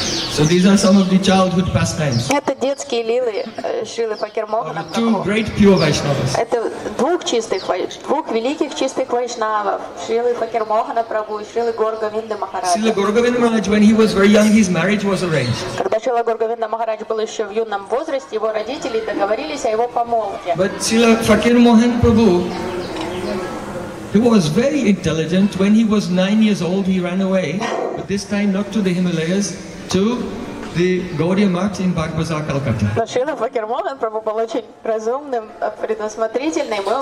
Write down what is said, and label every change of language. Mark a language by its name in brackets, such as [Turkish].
[English] So these are some of the childhood pastimes. [Russian] Это детские лилы Шрилы Факир Мохана. [English] Two great pure Vaishnavas. [Russian] Это двух великих чистых вайшнавов. Шрилы Факир Мохана Прабху и Шрилы Гаура Говинда Махараджа. [English] Шрила Гаура Говинда Махарадж, when he was very young, his marriage was arranged. [Russian] Когда Шрила Гаура Говинда Махарадж был еще в юном возрасте, его родители договорились о его помолвке. [English] But Шрила Факир Мохан Прабху, he was very intelligent. When he was 9 years old, he ran away, but this time not to the Himalayas, to the Gaudiya Mart in Bagh Bazar, Calcutta. [Russian] Но Шрила Факир Мохан Прабху был очень разумным, предусмотрительным.